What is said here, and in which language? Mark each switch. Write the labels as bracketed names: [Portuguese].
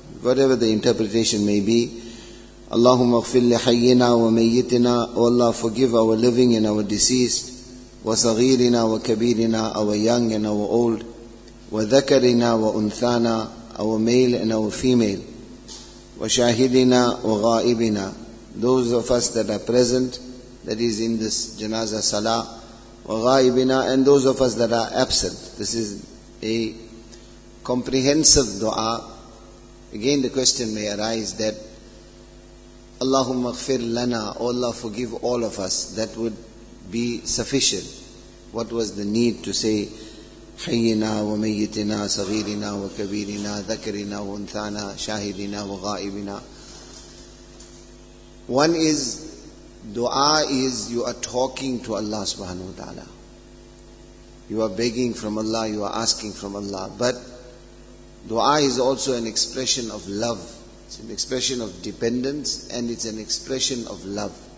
[English] Whatever the interpretation may be, [Arabic] Allahumma ighfir li hayyina wa mayyitina, [English] O Allah, forgive our living and our deceased, [Arabic] wa saghirina wa kabirina, [English] our young and our old, [Arabic] wa dhakarina wa unthana, [English] our male and our female, [Arabic] وَشَاهِدِنَا وَغَائِبِنَا, [English] those of us that are present, that is in this janazah salah, [Arabic] وَغَائِبِنَا, [English] and those of us that are absent. This is a comprehensive dua. Again, the question may arise that [Arabic] اللَّهُمَّ اغْفِرْ لَنَا, [English] O Allah, forgive all of us. That would be sufficient. What was the need to say [Arabic] حَيِّنَا وَمَيِّتِنَا صَغِيرِنَا وَكَبِيرِنَا ذَكَرِنَا وَأُنْثَانَا شَاهِدِنَا وَغَائِبِنَا. [English] One is, dua is you are talking to Allah subhanahu wa ta'ala. You are begging from Allah, you are asking from Allah. But dua is also an expression of love. It's an expression of dependence and it's an expression of love.